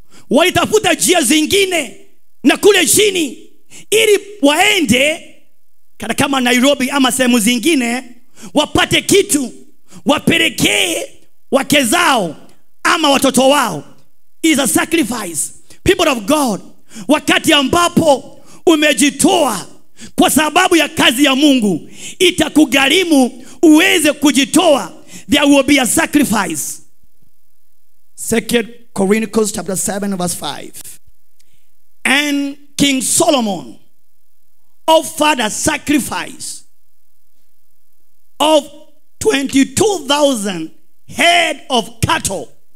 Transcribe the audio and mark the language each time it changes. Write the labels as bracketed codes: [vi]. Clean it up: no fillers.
[sw] Walitafuta njia zingine na kule chini ili waende kana kama Nairobi ama sehemu zingine wapate kitu wapelekee wake zao ama watoto wao. [en] Is a sacrifice, people of God. [sw] Wakati ambapo umejitoa kwa sababu ya kazi ya Mungu, itakugharimu uweze kujitoa. [en] There will be a sacrifice. 2 Corinthians chapter 7 verse 5. And King Solomon offered a sacrifice of 22,000 head of cattle.